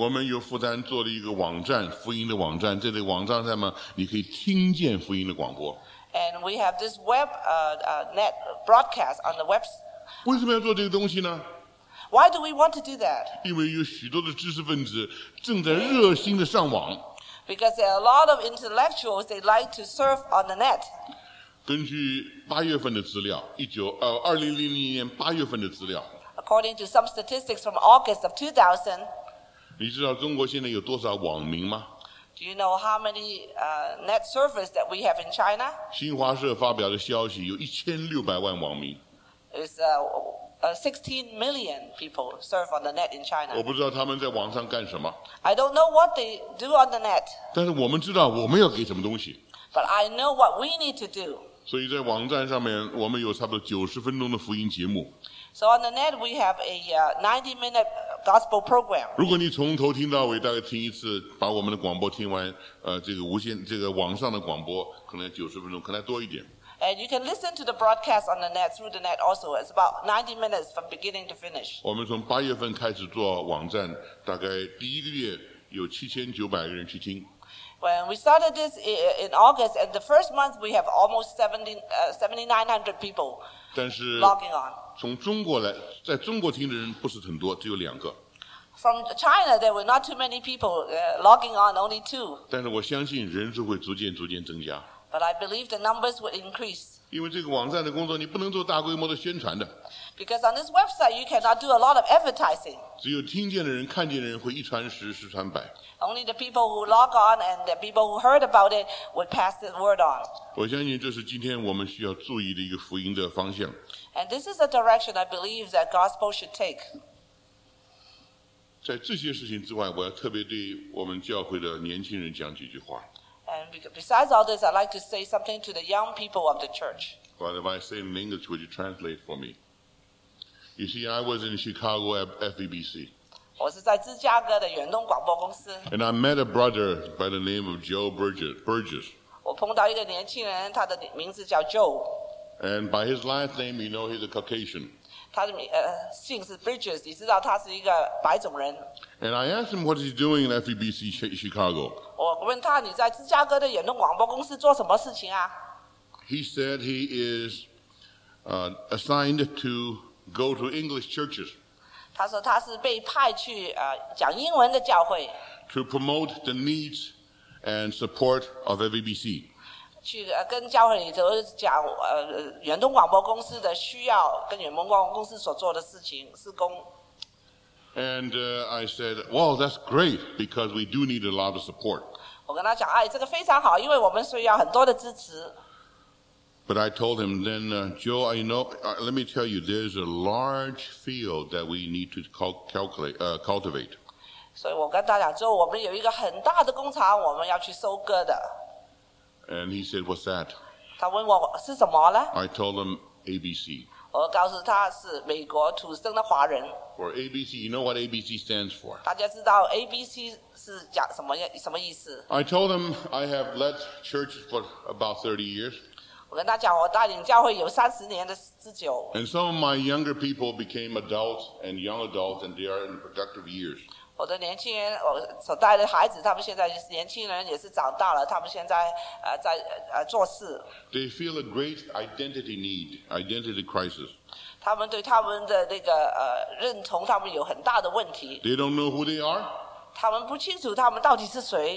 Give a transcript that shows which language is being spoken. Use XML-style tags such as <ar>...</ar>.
<zh>我们有负担做了一个网站，福音的网站。在这网站上面，你可以听见福音的广播。</zh> <en>And we have this web net broadcast on the web.</en> <zh>为什么要做这个东西呢？</zh> <en>Why do we want to do that?</en> <zh>因为有许多的知识分子正在热心的上网。</zh> <en>Because there are a lot of intellectuals they like to surf on the net.</en> <zh>根据八月份的资料，二零零零年八月份的资料。</zh> <en>According to some statistics from August of 2000,</en> <zh>你知道中国现在有多少网民吗？</zh> <en>Do you know how many net surfers that we have in China?</en> <zh>新华社发表的消息有1600万网民。</zh> <en>It's 16 million people surf on the net in China.</en> <zh>我不知道他们在网上干什么。</zh> <en>I don't know what they do on the net.</en> <zh>但是我们知道我们要给什么东西。</zh> <en>But I know what we need to do.</en> <zh>所以在网站上面，我们有差不多90分钟的福音节目。</zh> <en>So on the net, we have a 90-minute gospel program.</en> <zh>如果你从头听到尾，大概听一次，把我们的广播听完，这个无线这个网上的广播，可能九十分钟，可能多一点。</zh> <en>And you can listen to the broadcast on the net through the net also. It's about 90 minutes from beginning to finish.</en> <zh>我们从八月份开始做网站，大概第一个月有7900个人去听。</zh> <en>When we started this in August, and the first month we have almost 7900 people logging on.</en> <zh>从中国来，在中国听的人不是很多，只有两个。</zh> <en>From China, there were not too many people logging on, only two.</en> <zh>但是我相信人数会逐渐逐渐增加。</zh> <en>But I believe the numbers will increase.</en> <zh>因为这个网站的工作，你不能做大规模的宣传的。</zh> <en>Because on this website, you cannot do a lot of advertising.</en> <zh>只有听见的人、看见的人会一传十、十传百。</zh> <en>Only the people who log on and the people who heard about it would pass the word on.</en> <zh>我相信这是今天我们需要注意的一个福音的方向。</zh> <en>And this is a direction I believe that gospel should take.</en> <zh>在这些事情之外，我要特别对我们教会的年轻人讲几句话。</zh> <en>And besides all this, I'd like to say something to the young people of the church. Well, if I say in English, would you translate for me? You see, I was in Chicago at FEBC.</en> <zh>我是在芝加哥的远东广播公司。</zh> <en>And I met a brother by the name of Joe Burgess.</en> <zh>我碰到一个年轻人，他的名字叫 Joe.</zh> <en>And by his last name, you know he's a Caucasian.</en> <zh>他的姓是 Bridges， 你知道他是一个白种人。</zh> <en>And I asked him what he's doing in FEBC Chicago.</en> <zh>我问他你在芝加哥的远东广播公司做什么事情啊？</zh> <en>He said he is assigned to go to English churches.</en> <zh>他说他是被派去讲英文的教会。</zh> <en>To promote the needs and support of FEBC.</en> <zh>去跟教会里头讲，远东广播公司的需要，跟远东广播公司所做的事情，事工。</zh> <en>And I said, well, that's great because we do need a lot of support.</en> <zh>我跟他讲，哎，这个非常好，因为我们需要很多的支持。</zh> <en>But I told him, then Joe, I know. Let me tell you, there's a large field that we need to cultivate.</en> <zh>所以我跟大家讲，我们有一个很大的工厂，我们要去收割的。</zh> <en>And he said, what's that?</en> <zh>他问我是什么呢?</zh> <en>I told him ABC.</en> <zh>我告诉他是美国土生的华人。</zh> <en>For ABC, you know what ABC stands for?</en> <zh>大家知道 ABC 是讲什么意思?</zh> <en>I told him I have led church for about 30 years.</en> <zh>我跟他讲我带领教会有30年的之久。</zh> <en>And some of my younger people became adults and young adults and they are in productive years.</en> <zh>我的年轻人，我所带的孩子，他们现在年轻人也是长大了，他们现在做事。</zh> <en>They feel a great identity need, identity crisis.</en> <zh>他们对他们的那个认同，他们有很大的问题。</zh> <en>They don't know who they are.</en> <zh>他们不清楚他们到底是谁。</zh>